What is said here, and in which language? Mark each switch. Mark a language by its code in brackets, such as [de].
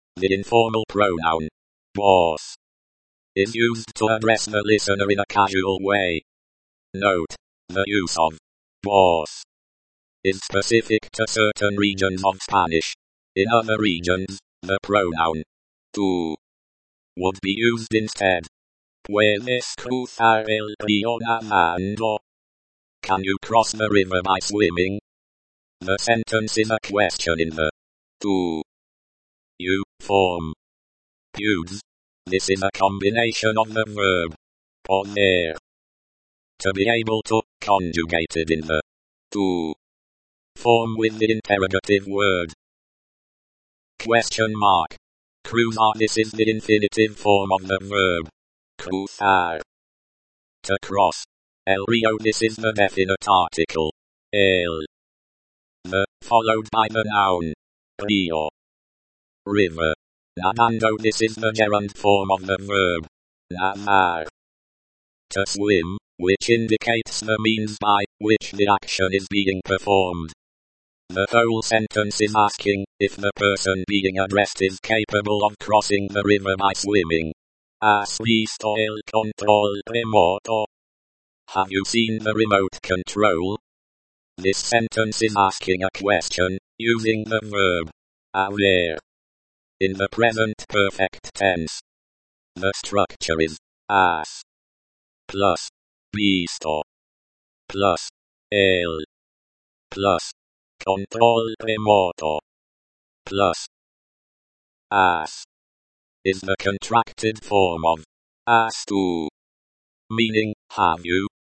[en] The informal pronoun. Vos. Is used to address the listener in a casual way. Note. The use of vos is specific to certain regions of Spanish. In other regions, the pronoun tú would be used instead. [es] ¿Puedes cruzar el río nadando? [en] Can you cross the river by swimming? The sentence is a question in the tú you form. Pudes. This is a combination of the verb poner. To be able to, conjugated in the tú form with the interrogative word. Question mark. Cruzar. This is the infinitive form of the verb cruzar. To cross. El río. This is the definite article. El. The, followed by the noun. Río. River. Nadando. This is the gerund form of the verb nadar. To swim. Which indicates the means by which the action is being performed. The whole sentence is asking if the person being addressed is capable of crossing the river by swimming. [es] ¿Has visto el control remoto? [en] Have you seen the remote control? This sentence is asking a question, using the verb haber in the present perfect tense. The structure is has plus visto plus el plus control remoto plus has is the contracted form of has tú, meaning have you.